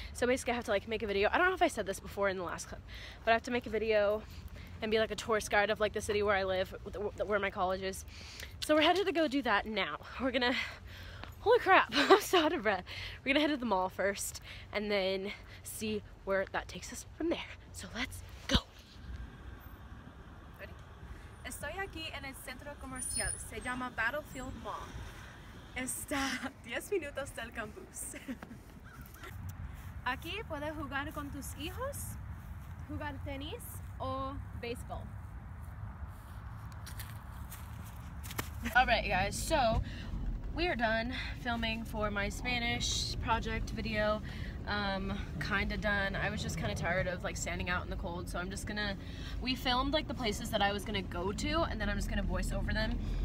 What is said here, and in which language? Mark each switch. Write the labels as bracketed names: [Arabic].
[English] So basically I have to like make a video. I don't know if I said this before in the last clip, but I have to make a video and be like a tourist guide of like the city where I live, where my college is. So we're headed to go do that now. We're gonna, holy crap, I'm so out of breath. We're gonna head to the mall first and then see where that takes us from there. So let's go. Ready? [Spanish] Estoy aquí en el centro comercial. Se llama Battlefield Mall. Está 10 minutos del campus. Aquí puedes jugar con tus hijos, jugar tenis o baseball. [English] All right, guys, so we are done filming for my Spanish project video. Kinda done. I was just kinda tired of like standing out in the cold, so I'm just gonna, we filmed like the places that I was gonna go to, and then I'm just gonna voice over them.